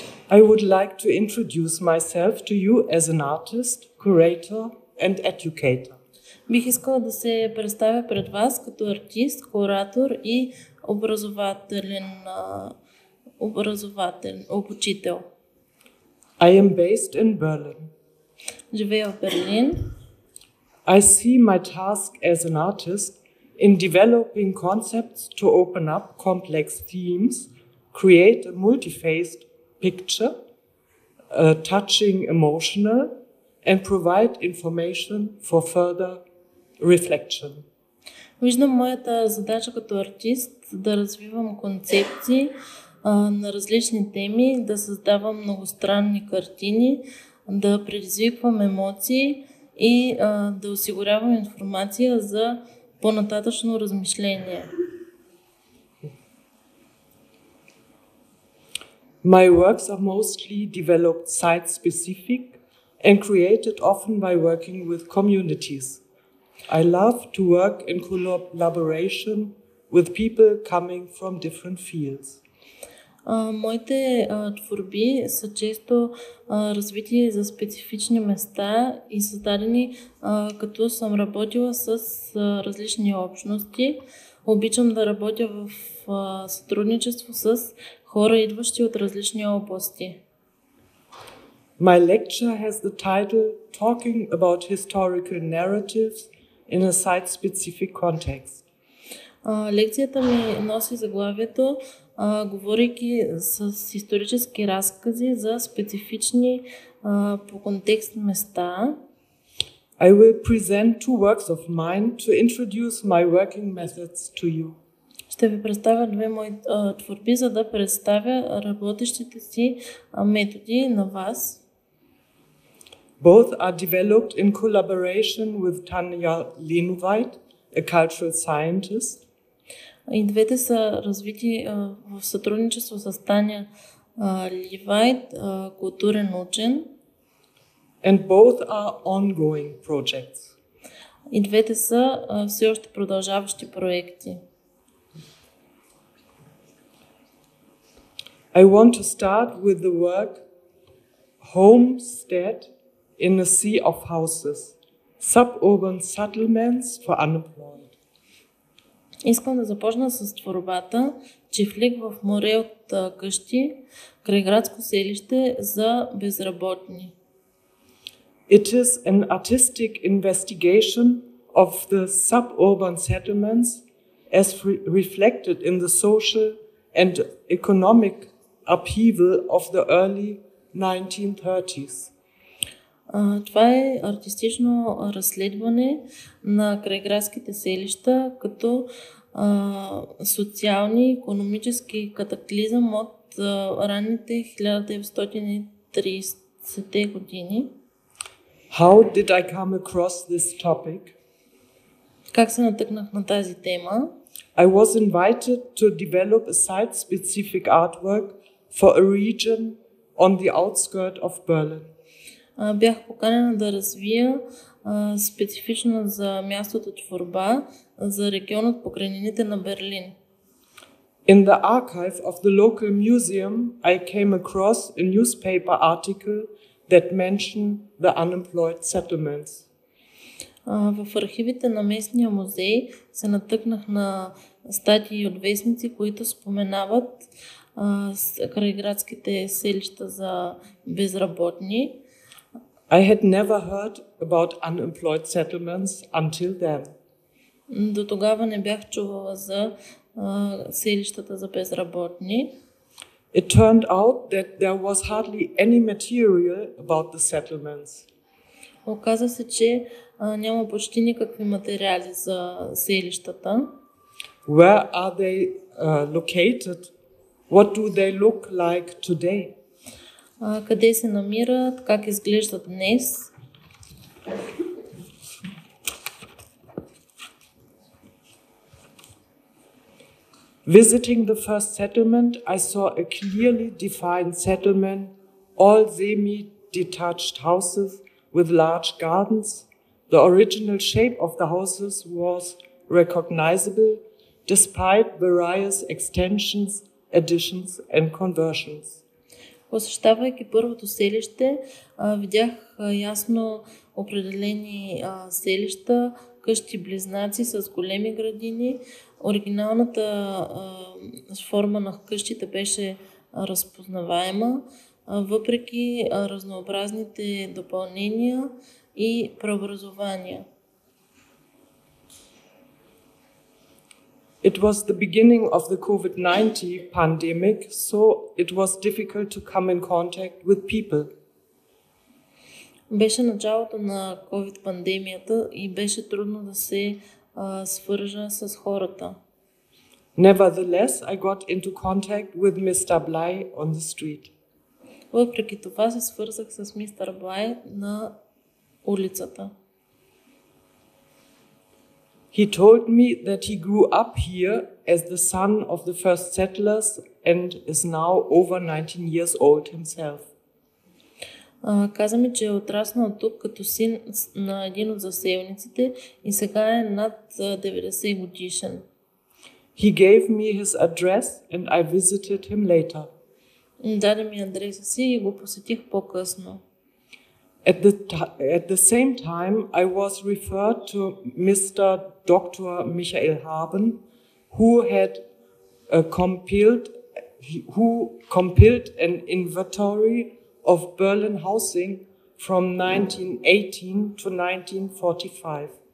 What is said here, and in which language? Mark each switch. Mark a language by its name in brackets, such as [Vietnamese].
[English] I would like to introduce myself to you as an artist, curator and educator. [Bulgarian] Бих искала да се представя пред вас като артист, куратор и образователен обучител. [English] I am based in Berlin. [Bulgarian] Живея в Берлин. [English] I see my task as an artist in developing concepts to open up complex themes, create a multi-faced picture, touching emotional, and provide information for further reflection. [Bulgarian] Виждам моята задача като артист да развивам концепции на различни теми, да създавам многостранни картини, да предизвиквам емоции и да осигурявам информация за по-нататъчно размишление. [English] My works are mostly developed site-specific and created often by working with communities. I love to work in collaboration with people coming from different fields. [Bulgarian] Моите творби са често развити за специфични места и създадени като съм работила с различни общности. Обичам да работя в сътрудничество с хора, идващи от различни области. [English] My lecture has the title Talking about historical narratives in a site-specific context. [Bulgarian] Лекцията ми носи заглавието говорейки с исторически разкази за специфични по контекст места. [English] I will present two works of mine to introduce my working methods to you. [Bulgarian] Ще ви представя две мои творби, за да представя работещите си методи на вас. [English] Both are developed in collaboration with Tanya Lenuwait, a cultural scientist. [Bulgarian] И двете са развити в сътрудничество с Таня Ливайт, културен учен. [English] And both are ongoing projects. [Bulgarian] И двете са все още продължаващи проекти. [English] I want to start with the work Homestead in a Sea of Houses, Suburban Settlements for Unemployed. [Bulgarian] Искам да започна с творбата Чифлик в море от къщи, крайградско селище за безработни. [English] It is an artistic investigation of the suburban settlements as reflected in the social and economic upheaval of the early 1930s. [Bulgarian] Това е артистично разследване на крайградските селища като социални и икономически катаклизъм от ранните 1930-те години. [English] How did I come across this topic? [Bulgarian] Как се натъкнах на тази тема? [English] I was invited to develop a site-specific artwork for a region on the outskirts of Berlin. [Bulgarian] Бях поканена да развия специфично за мястото творба за регион от покрайнините на Берлин. [English] In the archive of the local museum, I came across a newspaper article that mentioned the unemployed settlements. [Bulgarian] В архивите на местния музей се натъкнах на статии от вестници, които споменават крайградските селища за безработни. [English] I had never heard about unemployed settlements until then. [Bulgarian] До тогава не бях чувала за селищата за безработни. [English] It turned out that there was hardly any material about the settlements. [Bulgarian] Оказа се, че няма почти никакви материали за селищата. [English] Where are they located? What do they look like today? [Bulgarian] Къде се намират? Как изглеждат днес? [English] Visiting the first settlement, I saw a clearly defined settlement, all semi-detached houses with large gardens. The original shape of the houses was recognizable despite various extensions, additions and conversions. [Bulgarian] Посещавайки първото селище, видях ясно определени селища, къщи-близнаци с големи градини. Оригиналната форма на къщите беше разпознаваема, въпреки разнообразните допълнения и преобразования. [English] It was the beginning of the COVID-19 pandemic, so it was difficult to come in contact with people. [Bulgarian] Беше началото на COVID-пандемията и беше трудно да се свържа с хората. [English] Nevertheless, I got into contact with Mr. Bly on the street. [Bulgarian] Въпреки това се свързах с мистер Блай на улицата. [English] He told me that he grew up here as the son of the first settlers and is now over 19 years old himself. [Bulgarian] Каза ми, че е отраснал тук като син на един от заселниците и сега е над 90 годишен. [English] He gave me his address and I visited him later. [Bulgarian] Даде ми адреса си и го посетих по-късно. [English] At the same time, I was referred to Mr. Dr. Michael Haben, who had compiled an inventory of Berlin housing from 1918 to 1945.